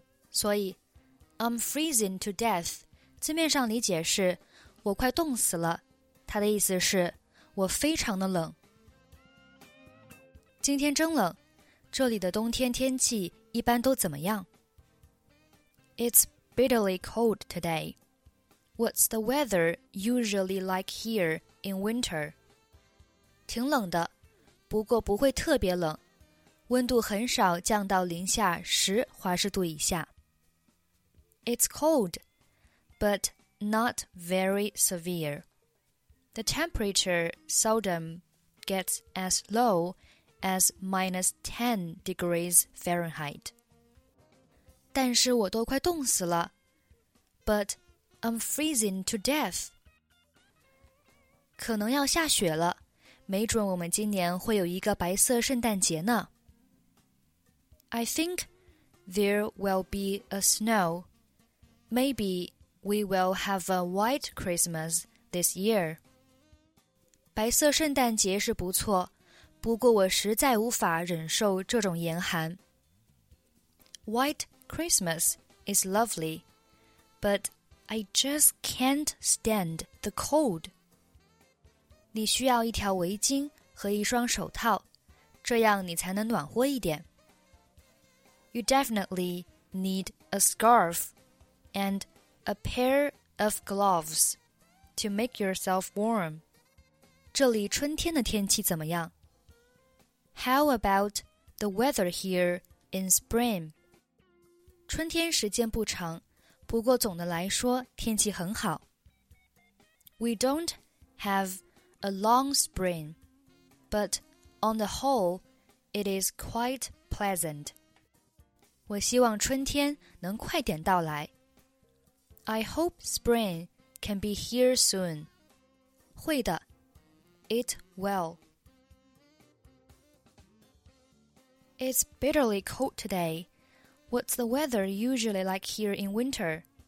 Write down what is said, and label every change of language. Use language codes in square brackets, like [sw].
[zh] 所以 [en] I'm freezing to death [zh] 字面上理解是我快冻死了，它的意思是我非常的冷。今天真冷，这里的冬天天气一般都怎么样？ [en] It's bitterly cold today. What's the weather usually like here in winter? [zh] 挺冷的，不过不会特别冷，温度很少降到零下十华氏度以下。 [en] It's cold, but not very severe. The temperature seldom gets as low as minus 10 degrees Fahrenheit. [zh] 但是我都快冻死了。 [en] But I'm freezing to death. [zh] 可能要下雪了，没准我们今年会有一个白色圣诞节呢。 [en] I think there will be a snow. Maybe we will have a white Christmas this year. [zh] 白色圣诞节是不错，不过我实在无法忍受这种严寒。 [en] White Christmas is lovely, but I just can't stand the cold. [zh] 你需要一条围巾和一双手套，这样你才能暖和一点。 [en] You definitely need a scarf and a pair of gloves to make yourself warm. [zh] 这里春天的天气怎么样? [en] How about the weather here in spring? [zh] 春天时间不长，不过总的来说天气很好。 [en] We don't have a long spring, but on the whole, it is quite pleasant. [zh] 我希望春天能快点到来。 [en] I hope spring can be here soon. [zh] 会的。 [en] It will. It's bitterly cold today. What's the weather usually like here in winter?